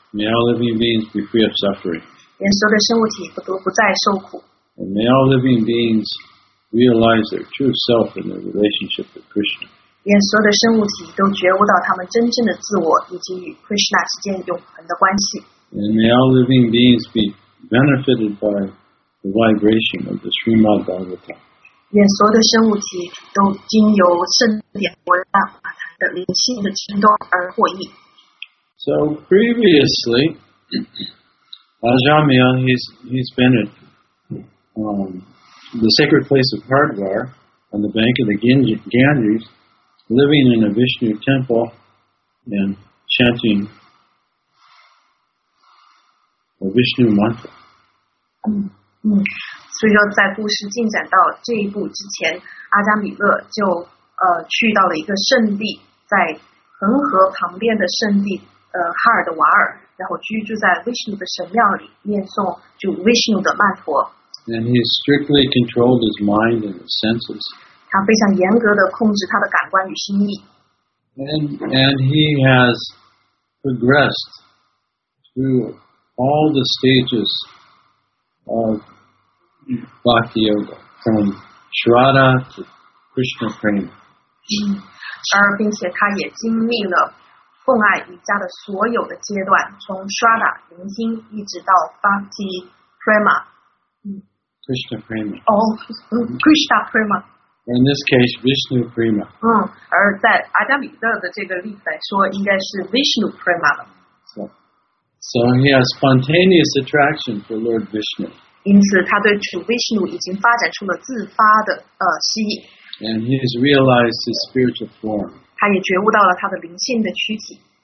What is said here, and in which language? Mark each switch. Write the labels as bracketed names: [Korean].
[English] May all living beings be free of suffering. [Chinese] 愿所有的生物体都不再受苦。 [English] And may all living beings realize their true self in their relationship with Krishna. [Chinese] 愿所有的生物体都觉悟到他们真正的自我以及与 Krishna 之间永恒的关系。 [English] And may all living beings be benefited by the vibration of the Srimad Bhagavatam. [Chinese] 愿所有的生物体都经由圣典波罗蜜多的灵性的震动而获益。 [English] So previously, Ajamil, he's been at the sacred place of Hardwar on the bank of the Ganges, living in a Vishnu temple and chanting a Vishnu mantra. [Chinese] 所以说在故事进展到这一步之前，阿扎米勒就去到了一个圣地，在恒河旁边的圣地哈尔德瓦尔，然后居住在 Vishnu 的神庙里，念诵就 Vishnu 的曼陀。 [English] And he strictly controlled his mind and his senses. [Chinese] 他非常严格地控制他的感官与心意。 [English] And he has progressed through all the stages of Bhakti Yoga, from Shraddha to Krishna Prema. [Chinese] 而并且他也经历了奉爱瑜伽的所有的阶段，从 Shraddha 聆听一直到 Bhakti Prema。 [English] Krishna Prema. Oh, Krishna Prema. In this case, Vishnu Prema. [Chinese] 而在阿扎米勒的这个例子来说，应该是 Vishnu Prema 了。 [English] So he has spontaneous attraction for Lord Vishnu. [Chinese] 因此，他对主 Vishnu 已经发展出了自发的吸引。 [English] And he has realized his spiritual form. [Chinese] 他也觉悟到了他的灵性的躯体。